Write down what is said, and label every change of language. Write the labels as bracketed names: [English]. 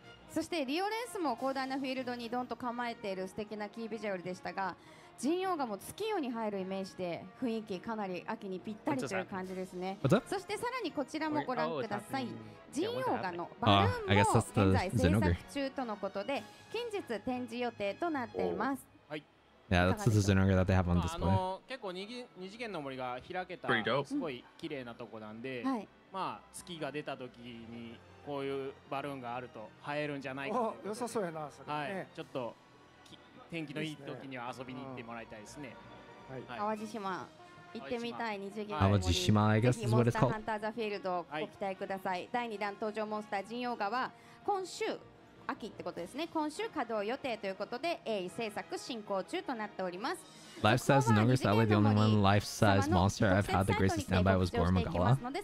[Japanese] そしてリオレウスも広大なフィールドにドンと構えている素敵なキービジュアルでしたが、ジンオーガも月夜に入るイメージで雰囲気かなり秋にぴったりという感じですね。そしてさらにこちらもご覧ください。ジンオーガのバルーンも現在制作中とのことで近日展示予定となっています。 [English] Yeah, that's the Zenoga that they have on display. [Japanese] 結構二次元の森が開けたすごい綺麗なとこなんで、まあ月が出た時にこういうバルーンがあると映えるんじゃないか。良さそうやな、それ。はい、ちょっと天気のいい時には遊びに行ってもらいたいですね。はい、淡路島行ってみたい。二次元淡路島、ぜひモンスターハンターザフィールドをご期待ください。はい、第2弾登場モンスター神陽川、今週秋ってことですね、今週稼働予定ということで鋭意制作進行中となっております。 [English] Life size Nogus, I was the only one life size monster I've had the grace to stand by was Gormagala.